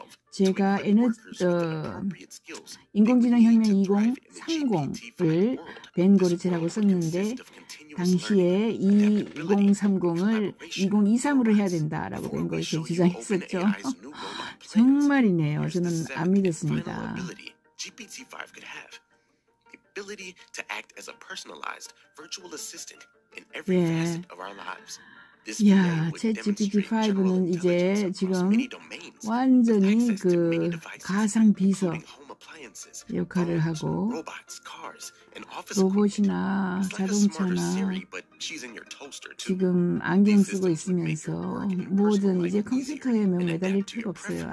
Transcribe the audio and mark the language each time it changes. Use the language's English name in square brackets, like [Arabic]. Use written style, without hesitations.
[Korean] 제가 인공지능 혁명 2030을 벤 고르체라고 썼는데 당시에 2030을 2023으로 해야 된다라고 벤 고르체 주장했었죠. 정말이네요. 저는 안 믿었습니다. [English] GPT-5 could have the ability to act as a personalized virtual assistant in every facet of our lives. This AI would demonstrate general intelligence across many domains, access to many devices, including home appliances, phones, robots, cars, and office equipment. It's like a smarter Siri, but she's in your toaster too. [Korean] 지금 안경 쓰고 있으면서 모든 이제 컴퓨터에 매달릴 필요 없어요.